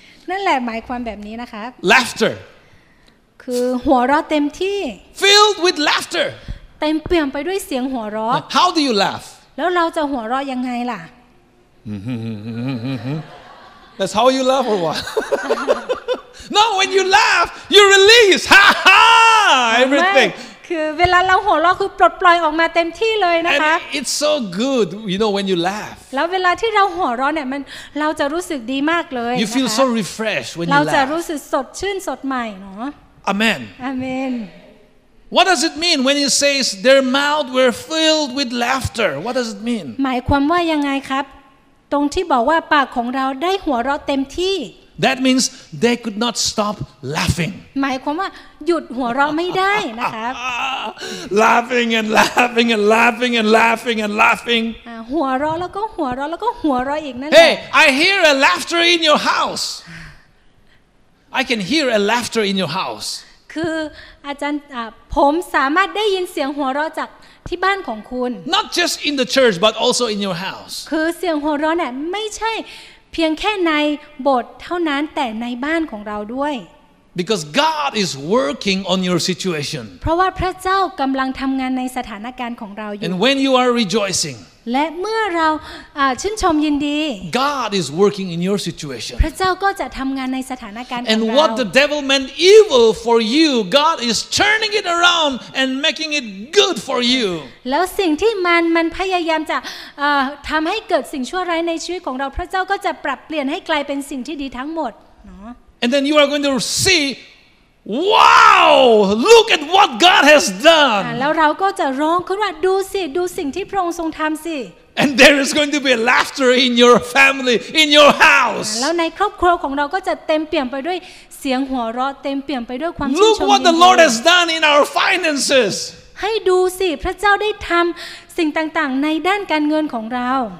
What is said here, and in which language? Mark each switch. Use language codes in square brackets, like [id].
[th] นั่นแหละหมายความแบบนี้นะคะ [en] Laughter. [th] คือหัวเราะเต็มที่ [en] filled with laughter [th] เต็มเปี่ยมไปด้วยเสียงหัวเราะ [en] how do you laugh [th] แล้วเราจะหัวเราะยังไงล่ะ [en] that's how you laugh or what no when you laugh you release ha ha everything [th] คือเวลาเราหัวเราะคือปลดปล่อยออกมาเต็มที่เลยนะคะ [en] and it's so good you know when you laugh [th] แล้วเวลาที่เราหัวเราะเนี่ยมันเราจะรู้สึกดีมากเลย [en] you feel so refreshed when you laugh [th] เราจะรู้สึกสดชื่นสดใหม่เนาะ [en] Amen. Amen. What does it mean when he says their mouth were filled with laughter? What does it mean? [th] หมายความว่ายังไงครับตรงที่บอกว่าปากของเราได้หัวเราะเต็มที่ [en] That means they could not stop laughing. [th] หมายความว่าหยุดหัวเราะไม่ได้นะครับ [en] Laughing and laughing and laughing and laughing and laughing. [th] หัวเราะแล้วก็หัวเราะแล้วก็หัวเราะอีกนั่นแหละ [en] Hey, I hear a laughter in your house. I can hear a laughter in your house. [th] คืออาจารย์ผมสามารถได้ยินเสียงหัวเราะจากที่บ้านของคุณ [en] Not just in the church but also in your house [th] คือเสียงหัวเราะน่ะไม่ใช่เพียงแค่ในโบสถ์เท่านั้นแต่ในบ้านของเราด้วย [en] Because God is working on your situation [th] เพราะว่าพระเจ้ากำลังทำงานในสถานการณ์ของเราอยู่ [en] And when you are rejoicing [th] และเมื่อเราชื่นชมยินดี [en] God is working in your situation [th] พระเจ้าก็จะทำงานในสถานการณ์ของเรา [en] And what the devil meant evil for you God is turning it around and making it good for you [th] แล้วสิ่งที่มันพยายามจะทำให้เกิดสิ่งชั่วร้ายในชีวิตของเราพระเจ้าก็จะปรับเปลี่ยนให้กลายเป็นสิ่งที่ดีทั้งหมดเนา [en] ะ And then you are going to seeWow! Look at what God has done. [th] แล้วเราก็จะร้องขึ้นว่าดูสิดูสิ่งที่พระองค์ทรงทำสิ [en] And there is going to be laughter in your family, in your house. [th] แล้วในครอบครัวของเราก็จะเต็มเปี่ยมไปด้วยเสียงหัวเราะเต็มเปี่ยมไปด้วยความชื่นชม [en] ยินดี Look what the Lord has done in our finances. [th] ให้ดูสิพระเจ้าได้ทำสิ่งต่างๆในด้านการเงินของเรา